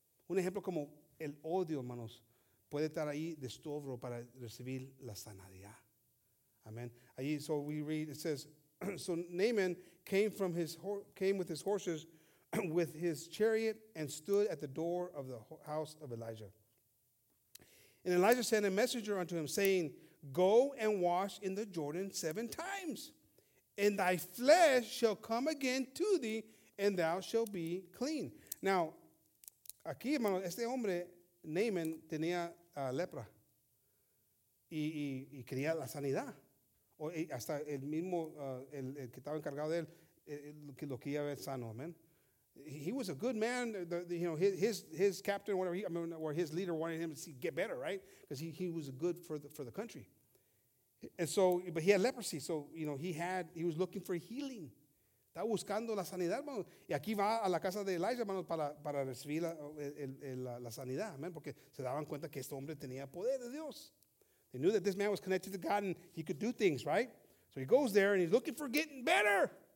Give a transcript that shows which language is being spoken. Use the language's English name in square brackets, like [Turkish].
[Spanish] Un ejemplo como el odio, hermanos, puede estar ahí de estorbo para recibir la sanidad. Amen. [English] Ahí, so we read, it says, so Naaman came with his horses with his chariot and stood at the door of the house of Elijah. And Elijah sent a messenger unto him, saying, go and wash in the Jordan 7 times, and thy flesh shall come again to thee, and thou shalt be clean. [Spanish] Now, aquí, hermano, este hombre, Naaman, tenía lepra y quería la sanidad. O hasta el mismo, el que estaba encargado de él, lo quería ver sano, amen. [English] He was a good man, you know, his captain, whatever, or his leader wanted him to see, get better, right? Because he was good for the country. And so, but he had leprosy, so, you know, he was looking for healing. [Spanish] Estaba buscando la sanidad, hermano. Y aquí va a la casa de Elijah, hermano, para recibir la sanidad, amen. Porque se daban cuenta que este hombre tenía poder de Dios. [English] They knew that this man was connected to God and he could do things, right? So he goes there and he's looking for getting better.